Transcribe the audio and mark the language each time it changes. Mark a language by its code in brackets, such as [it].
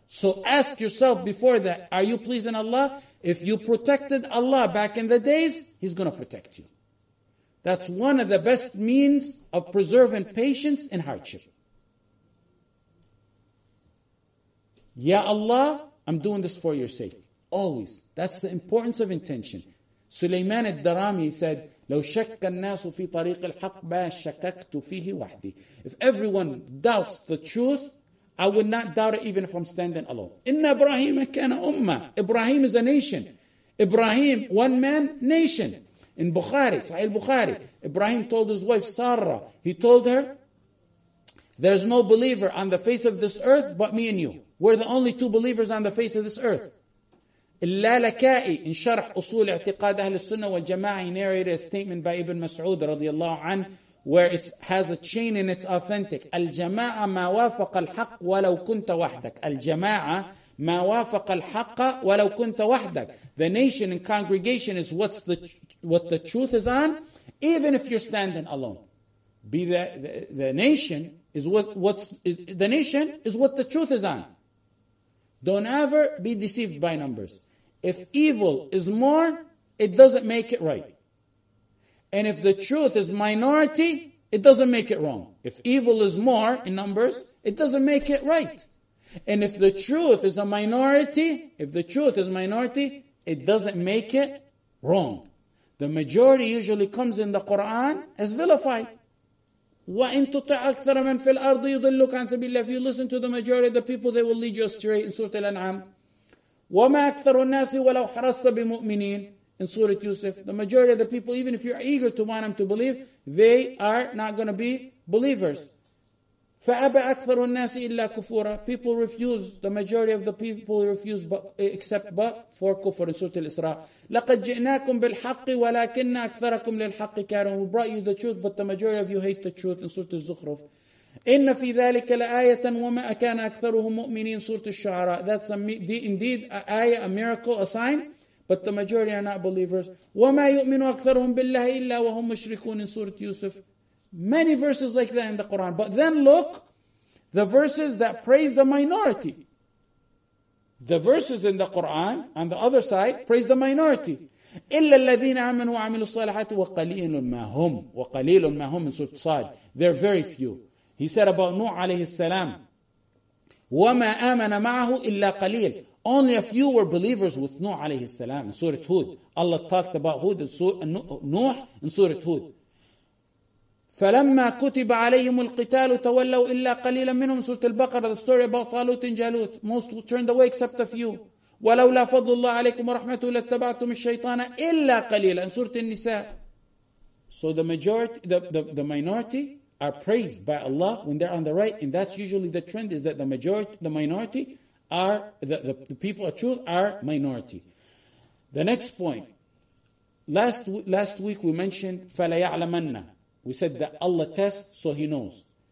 [en] So ask yourself before that, are you pleasing Allah? If you protected Allah back in the days, He's going to protect you. That's one of the best means of preserving patience in hardship. Ya Allah, I'm doing this for your sake. Always. That's the importance of intention. Sulaiman al-Darami said, [ar] لو شك الناس في طريق الحق ما شككت فيه وحدي. [en] If everyone doubts the truth, I will not doubt it even if I'm standing alone. [ar] إن إبراهيم كان أمة. [en] إبراهيم is a nation. إبراهيم one man nation. In Bukhari, صحيح البخاري, إبراهيم told his wife Sarah. He told her, "There's no believer on the face of this earth but me and you. We're the only two believers on the face of this earth." اللالكائي in شرح أصول اعتقاد أهل السنة والجماعة narrated a statement by Ibn Mas'ud رضي الله عنه where it has a chain and it's authentic. [ar] الجماعة ما وافق الحق ولو كنت وحدك. الجماعة ما وافق الحق ولو كنت وحدك. [en] The nation and congregation is what's the what the truth is on, even if you're standing alone. Be the nation is what's the nation is what the truth is on. Don't ever be deceived by numbers. If evil is more, it doesn't make it right. And if the truth is minority, it doesn't make it wrong. If evil is more in numbers, it doesn't make it right. And if the truth is a minority, if the truth is minority, it doesn't make it wrong. The majority usually comes in the Quran as vilified. [ar] وَإِنْ تُطِعْ أَكْثَرَ مَنْ فِي الْأَرْضِ يُضِلُّكَ عَنْ سَبِيلِ اللَّهِ. [en] If you listen to the majority of the people, they will lead you astray in Surah Al-An'am. [ar] وَمَا أَكْثَرُ النَّاسِ وَلَوْ حَرَصْتَ بِمُؤْمِنِينَ in Surah Yusuf. [en] The majority of the people, even if you're eager to want them to believe, they are not going to be believers. [ar] فَأَبَى أَكْثَرُ النَّاسِ إِلَّا كُفُورًا. [en] People refuse, the majority of the people refuse except for kufr in Surah Al-Isra. [ar] لَقَدْ جِئْنَاكُمْ بِالْحَقِّ وَلَكِنَّ أَكْثَرَكُمْ لِلْحَقِّ كَارِهُونَ. [en] We brought you the truth, but the majority of you hate the truth in Surah Al-Zukhruf. [ar] إِنَّ فِي ذَلِكَ لَآيَةً وَمَا أَكَانَ أَكْثَرُهُمْ مُؤْمِنِينَ Surah Al-Shu'ara. [en] That's indeed an ayah, a miracle, a sign, but the majority are not believers. [ar] وَمَا يُؤْمِنُ أَكْثَرُهُمْ بِاللَّهِ إِلَّا وَهُمْ مُشْرِكُونَ in Surah Yusuf. [en] Many verses like that in the Quran. But then look, the verses that praise the minority. The verses in the Quran, on the other side, praise the minority. [ar] إِلَّا الَّذِينَ آمَنُوا وَعَمِلُوا الصَّالِحَاتِ وَقَلِيلٌ مَا هُمْ وَقَلِيلٌ مَا هُمْ in Surah Sad. [en] They're very few. He said about Nuh alayhi salam, [ar] وَمَا آمَنَ مَعَهُ إِلَّا قَلِيلٌ. [en] Only a few were believers with Nuh alayhi salam in Surah Hud. Allah talked about Hud in Nuh in Surah Hud. [ar] فَلَمَّا كُتِبَ عَلَيْهِمُ الْقِتَالُ تَوَلَّوْا إِلَّا قَلِيلًا مِنْهُمْ سُورَةُ الْبَقَرَةُ [en] The story about Talut and Jalut. Most turned away except a few. [ar] وَلَوْ لَا فَضُّ اللَّهِ عَلَيْكُمْ وَرَحْمَتُهُ لَاتَّبَعْتُمِ الشَّيْطَانَ إِلَّا قَلِيلًا in Surah An-Nisa. [en] So the majority, the minority are praised by Allah when they're on the right. And that's usually the trend, is that the majority, the minority are, the people of truth are minority. The next point. Last week we mentioned فَلَيَعْلَمَنَّ. We said that Allah tests, so He knows.